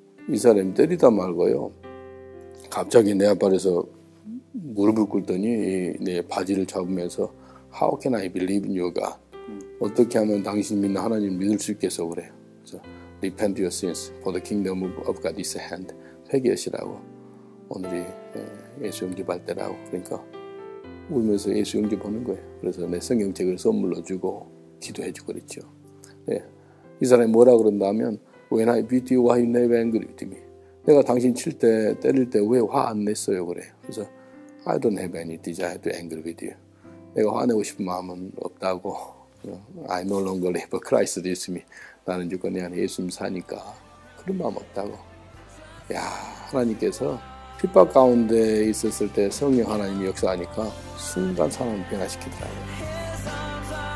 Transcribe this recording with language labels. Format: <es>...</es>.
<ko>이 사람이 때리다 말고요. 갑자기 내 앞발에서 무릎을 꿇더니 내 바지를 잡으면서</ko> <en>How can I believe in you</en> <ko>가 어떻게 하면 당신 믿는 하나님 믿을 수 있겠어 그래요. 그래서</ko> <en>Repent your sins for the kingdom of God is at hand.</en> <ko>회개하시라고 오늘이 예수 영접할 때라고 그러니까 울면서 예수 영접 보는 거예요. 그래서 내 성경책을 선물로 주고 기도해 주고 그랬죠. 네. 이 사람이 뭐라 그런다면</ko> <en>When I beat you, why you never angry with me?</en> <ko>내가 당신 칠 때, 때릴 때 왜 화 안 냈어요? 그래요. 그래서</ko> <en>I don't have any desire to angry with you.</en> <ko>내가 화내고 싶은 마음은 없다고</ko> <en>I no longer live for Christ with me.</en> <ko>나는 죽고 내 안에 예수님 사니까 그런 마음 없다고 야 하나님께서 핍박 가운데 있었을 때 성령 하나님이 역사하니까 순간 사람을 변화시키더라고요.</ko>